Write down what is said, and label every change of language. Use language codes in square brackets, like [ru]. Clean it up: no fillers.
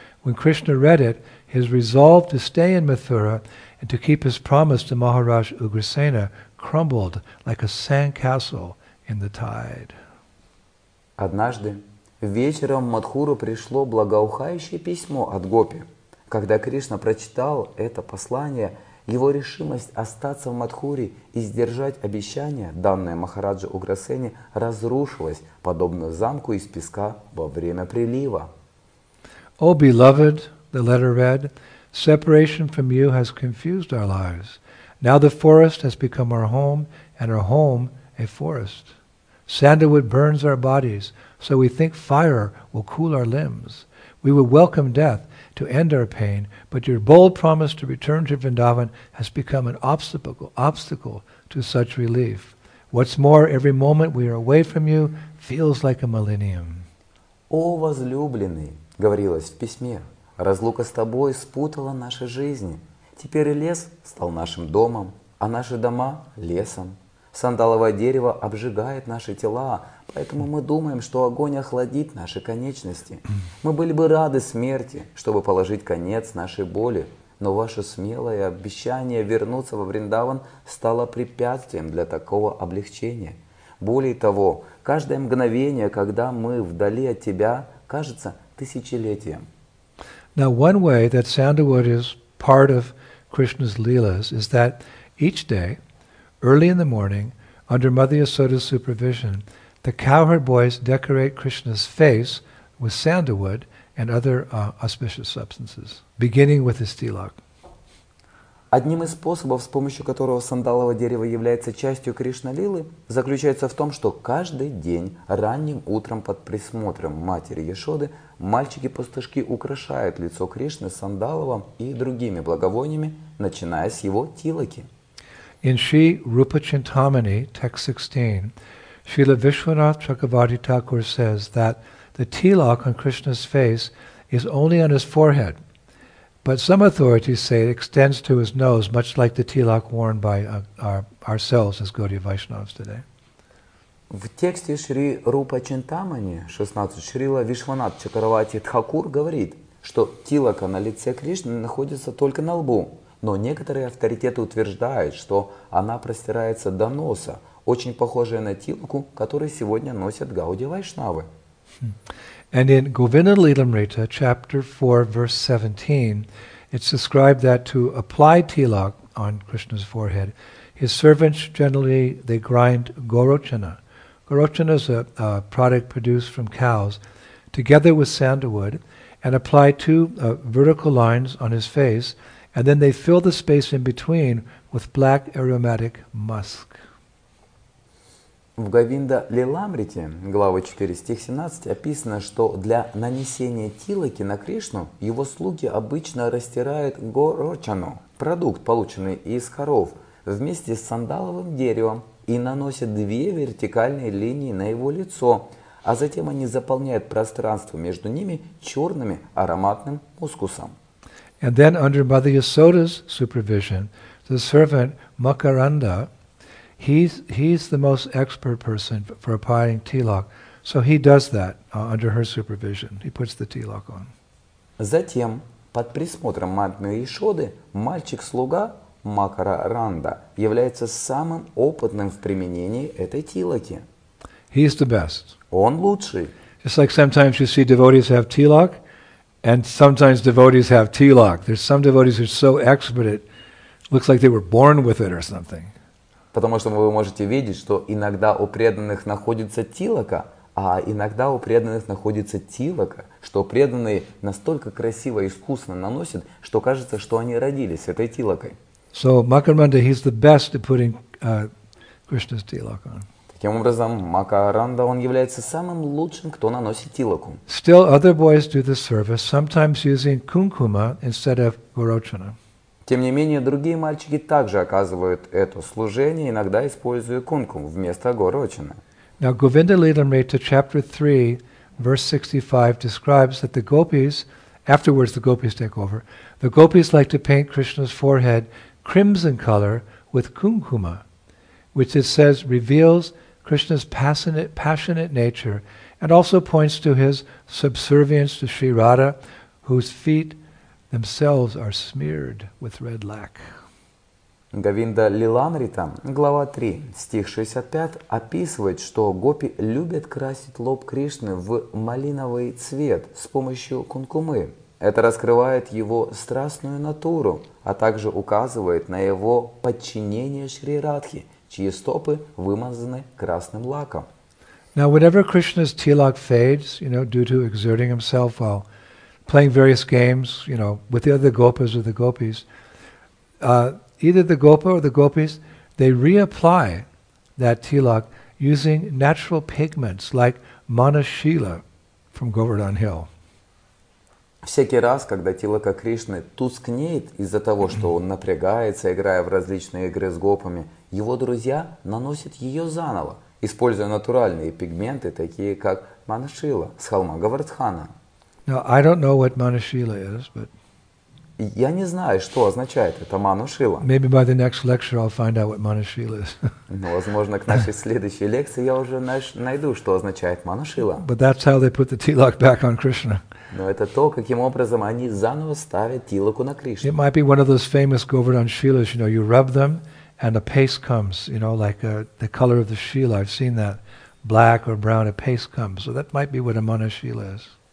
[en] When Krishna read it, his resolve to stay in Mathura and to keep his promise to Maharaj Ugrasena crumbled like a sandcastle in the tide. [ru] Однажды вечером в Мадхуру пришло благоухающее письмо от гопи. Когда Кришна прочитал это послание, его решимость остаться в Мадхуре и сдержать обещание, данное Махараджа Уграсене, разрушилась, подобно замку из песка во время прилива. [en] «О, beloved, the letter read, separation from you has confused our lives. Now the forest has become our home, and our home a forest. Sandalwood burns our bodies, so we think fire will cool our limbs. We would welcome death to end our pain, but your bold promise to return to Vrindavan has become an obstacle to such relief. What's more, every moment we are away from you feels like a millennium. [ru] О, возлюбленный, говорилось в письме, разлука с тобой спутала наши жизни. Теперь лес стал нашим домом, а наши дома лесом. Сандаловое дерево обжигает наши тела, поэтому мы думаем, что огонь охладит наши конечности. Мы были бы рады смерти, чтобы положить конец нашей боли, но ваше смелое обещание вернуться во Вриндаван стало препятствием для такого облегчения. Более того, каждое мгновение, когда мы вдали от тебя, кажется тысячелетием. [en] Now one way that sandalwood is part of Krishna's leelas is that each day, early in the morning, under Mother Yasoda's supervision, the cowherd boys decorate Krishna's face with sandalwood and other auspicious substances, beginning with his tilak. [ru] Одним из способов, с помощью которого сандаловое дерево является частью Кришна-лилы, заключается в том, что каждый день ранним утром под присмотром матери Яшоды мальчики-пастушки украшают лицо Кришны сандаловым и другими благовониями, начиная с его тилаки. [en] In Sri Rupa Chintamani, text 16, Srila Vishwanath Chakravarti Thakur says that the tilak on Krishna's face is only on his forehead, but some authorities say it extends to his nose, much like the tilak worn by ourselves as Gaudiya Vaishnavas today. [ru] В тексте Шри Рупа Чинтамани, 16, Шрила Вишванат Чакравати Тхакур говорит, что тилака на лице Кришны находится только на лбу, но некоторые авторитеты утверждают, что она простирается до носа, очень похожая на тилаку, которую сегодня носят Гауди Вайшнавы. [en] And in Govinda Lilamrita, chapter 4, verse 17, it's described that to apply tilak on Krishna's forehead, his servants generally, they grind gorochana. Gorochana is a product produced from cows, together with sandalwood, and apply two vertical lines on his face, and then they fill the space in between with black aromatic musk. [ru] В Говинда Лиламрите, глава 4, стих 17, описано, что для нанесения тилаки на Кришну его слуги обычно растирают горочану, продукт, полученный из коров, вместе с сандаловым деревом и наносят две вертикальные линии на его лицо, а затем они заполняют пространство между ними черным ароматным мускусом. [en] And then under Mother Yasoda's supervision, the servant Makaranda, he's the most expert person for applying tilak, so he does that under her supervision. He puts the tilak on. [ru] Затем, под присмотром матери Яшоды, мальчик-слуга Макараранда является самым опытным в применении этой тилаки. [en] He's the best. [ru] Он лучший. [en] Just like sometimes you see devotees have tilak, and sometimes devotees have tilak. There's some devotees who are so expert it looks like they were born with it or something. [ru] Потому что вы можете видеть, что иногда у преданных находится тилака, а иногда у преданных находится тилака, что преданные настолько красиво и искусно наносят, что кажется, что они родились этой тилакой. [en] So Makaranda, he's the best at putting Krishna's tilak on. [ru] Таким образом, Макаранда, он является самым лучшим, кто наносит тилаку. [en] Still, other boys do the service, sometimes using kunkuma instead of gorochana. [ru] Тем не менее, другие мальчики также оказывают это служение, иногда используя кункум вместо горочины. [en] Now, Govinda Lilamrita, chapter 3, verse 65, describes that the gopis, afterwards the gopis take over, the gopis like to paint Krishna's forehead crimson color with kunkuma, which it says reveals Krishna's passionate nature and also points to his subservience to Sri Radha, whose feet themselves are smeared with red lac. [ru] Говинда Лиламрита, глава 3, стих 65, описывает, что гопи любят красить лоб Кришны в малиновый цвет с помощью кункумы. Это раскрывает его страстную натуру, а также указывает на его подчинение Шри Радхе, чьи стопы вымазаны красным лаком. [en] Now, whenever Krishna's tilak fades, you know, due to exerting himself while playing various games, you know, with the other gopas or the gopis, either the gopa or the gopis, they reapply that tilak using natural pigments like manashila from Govardhan Hill. [ru] Всякий раз, когда тилака Кришны тускнеет из-за того, что он напрягается, играя в различные игры с гопами, его друзья наносят ее заново, используя натуральные пигменты, такие как манашила с холма Говардхана. [en] Now, I don't know what manashila is, but... [ru] Я не знаю, что означает это манашила. [en] Maybe by the next lecture I'll find out what manashila is. [ru] Ну, возможно, к нашей следующей лекции я уже найду, что означает манашила. [en] But that's how they put the tilak back on Krishna. [ru] Но это то, каким образом они заново ставят тилаку на Кришну. [en] It might be one of those famous Govardhan shilas, you know, you rub them and a paste comes, you know, like the color of the shila. I've seen that black or brown, a paste comes. So that might be what a manashila is.